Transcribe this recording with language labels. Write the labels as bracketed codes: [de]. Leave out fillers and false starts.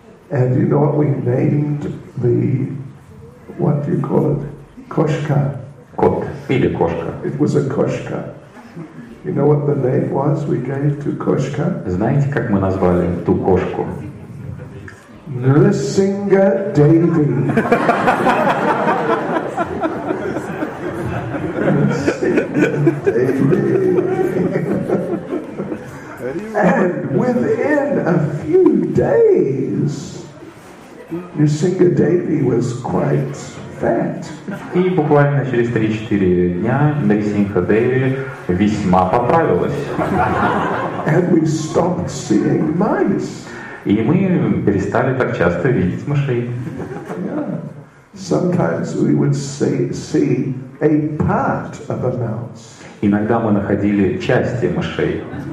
[en] And you know what we named the What do you call it? [ru] Кошка. Кот или кошка. [en] It was a кошка. You know what the name was we gave to кошка? [ru] Знаете, как мы назвали ту кошку? Нрисинга Деви. [en] And within a few days, Нрисинга Деви was quite [ru] И буквально через 3-4 дня Нарисинха Деви весьма поправилась. И мы перестали так часто видеть мышей. [en] Sometimes we would see a part of a mouse. [ru] Иногда мы находили части мышей.